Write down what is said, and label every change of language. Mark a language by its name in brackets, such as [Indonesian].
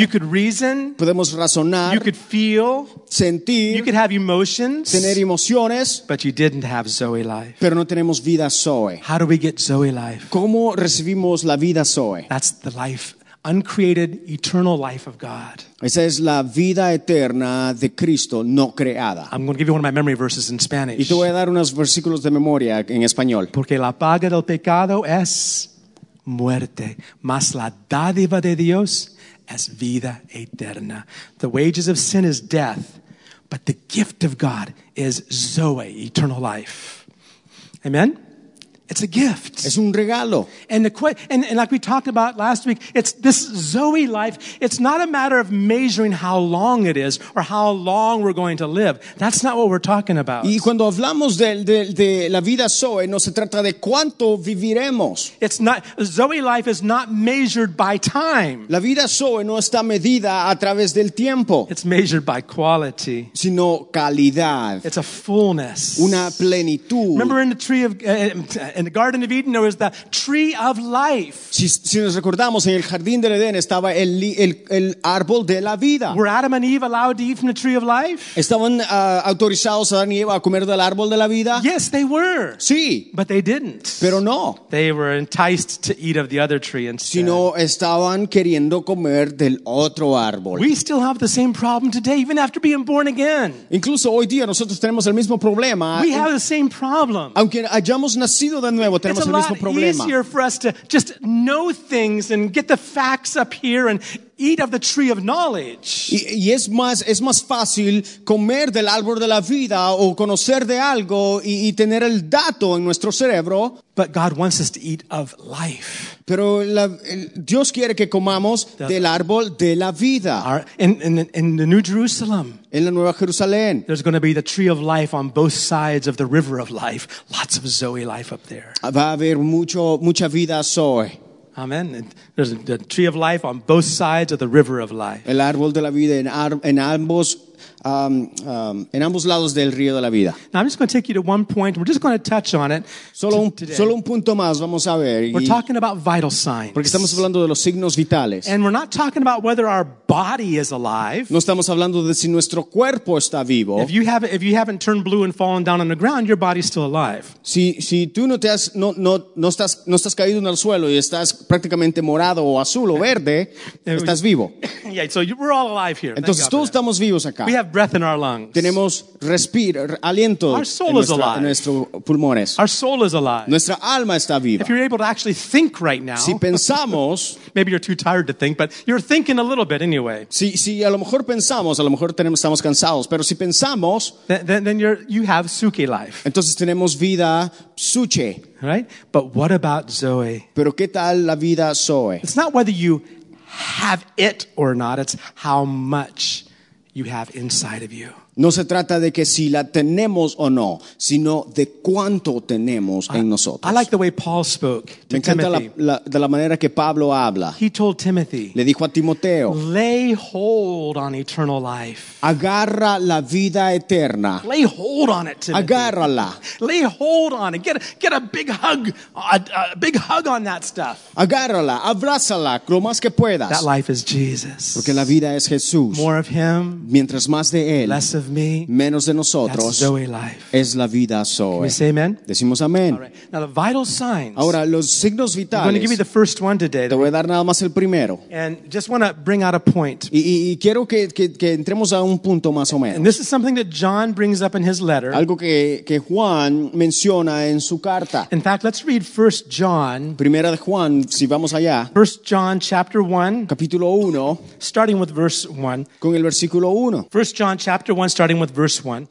[English] You could reason. [Spanish] Podemos razonar. [English] You could feel. [Spanish] Sentir. [English] You could have emotions. [Spanish] Tener emociones. [English] But you didn't have zoe life. [Spanish] Pero no tenemos vida zoe. [English] How do we get zoe life? [Spanish] ¿Cómo recibimos la vida zoe? [English] That's the life, uncreated, eternal life of God. [Spanish] Esa es la vida eterna de Cristo no creada. [English] I'm going to give you one of my memory verses in Spanish. [Spanish] Y te voy a dar unos versículos de memoria en español. Porque la paga del pecado es muerte, mas la dádiva de Dios es vida eterna. [English] The wages of sin is death, but the gift of God is zoe, eternal life. Amen. It's a gift. [Spanish] Es un regalo. [English] And like we talked about last week, it's this zoe life. It's not a matter of measuring how long it is or how long we're going to live. That's not what we're talking about. [Spanish] Y cuando hablamos de la vida zoe, no se trata de cuánto viviremos. [English] It's not, zoe life is not measured by time. [Spanish] La vida zoe no está medida a través del tiempo. [English] It's measured by quality. [Spanish] Sino calidad. [English] It's a fullness. [Spanish] Una plenitud. [English] Remember in the tree of... In the Garden of Eden, there was the tree of life. [Spanish] Si nos recordamos, en el jardín del Edén estaba el árbol de la vida. [English] Were Adam and Eve allowed to eat from the tree of life? [Spanish] Estaban autorizados Adán y Eva a comer del árbol de la vida. [English] Yes, they were. [Spanish] Sí. [English] But they didn't. [Spanish] Pero no. [English] They were enticed to eat of the other tree instead. [Spanish] Sino estaban queriendo comer del otro árbol. [English] We still have the same problem today, even after being born again. [Spanish] Incluso hoy día nosotros tenemos el mismo problema. [English] We have the same problem. [Spanish] Aunque hayamos nacido de nuevo, [English] it's a lot easier for us to just know things and get the facts up here and eat of the tree of knowledge. [Spanish] Y es más fácil comer del árbol de la vida o conocer de algo y tener el dato en nuestro cerebro. [English] But God wants us to eat of life. [Spanish] Pero Dios quiere que comamos del árbol de la vida. [English] In the New Jerusalem. [Spanish] En la Nueva Jerusalén. [English] There's going to be the tree of life on both sides of the river of life. Lots of zoe life up there. [Spanish] Va a haber mucha vida zoe. [English] Amen. There's the tree of life on both sides of the river of life. [Spanish] El árbol de la vida en ambos lados del río de la vida. [English] Now I'm just going to take you to one point. We're just going to touch on it. [Spanish] Solo un punto más vamos a ver. [English] We're talking about vital signs. [Spanish] Porque estamos hablando de los signos vitales. [English] And we're not talking about whether our body is alive. [Spanish] No estamos hablando de si nuestro cuerpo está vivo. [English] If you haven't turned blue and fallen down on the ground, your body's still alive. [Spanish] Si tú no estás caído en el suelo y estás prácticamente morado o azul o verde, estás vivo. [English] Yeah, so we're all alive here. [Spanish] Entonces todos estamos vivos acá. [English] We have breath in our lungs. [Spanish] Tenemos respiro, aliento. [English] Our soul is alive. [Spanish] En nuestros pulmones. [English] Our soul is alive. [Spanish] Nuestra alma está viva. [English] If you're able to actually think right now, [Spanish] si pensamos, [English] maybe you're too tired to think, but you're thinking a little bit anyway. [Spanish] Si a lo mejor pensamos, a lo mejor estamos cansados, pero si pensamos, [English] then you have suke life. [Spanish] Entonces tenemos vida suche. [English] Right? But what about zoe? [Spanish] Pero qué tal la vida zoe? [English] It's not whether you have it or not. It's how much you have inside of you. [Spanish] No se trata de que si la tenemos o no, sino de cuánto tenemos en nosotros. [English] I like the way Paul spoke to [Spanish] Timothy. Me encanta la manera que Pablo habla. [English] He told Timothy, [Spanish] le dijo a Timoteo, [English] lay hold on eternal life. [Spanish] Agarra la vida eterna. [English] Lay hold on it, Timothy. [Spanish] Agárrala. [English] Lay hold on it. Get a big hug, a big hug on that stuff. [Spanish] Agárrala, abrázala lo más que puedas. [English] That life is Jesus. [Spanish] Porque la vida es Jesús. [English] More of him. [Spanish] Mientras más de él. [English] Less of me, [Spanish] menos de nosotros, [English] that's Zoe life. [Spanish] Es la vida Zoe. [English] Can we say amen? [Spanish] Decimos amén. [English] Right. Now the vital signs. [Spanish] Ahora, los signos vitales, [English] I'm going to give you the first one today. [Spanish] Te voy a dar nada más el primero. [English] And just want to bring out a point. [Spanish] Y quiero que entremos a un punto más o menos. [English] And this is something that John brings up in his letter. [Spanish] Algo que Juan menciona en su carta. [English] In fact, let's read 1 John. [Spanish] Primera de Juan, si vamos allá. [English] 1 John chapter 1. [Spanish] Capítulo 1. [English] Starting with verse 1. [Spanish] Con el versículo 1. [English] 1 John chapter 1. Starting with verse 1.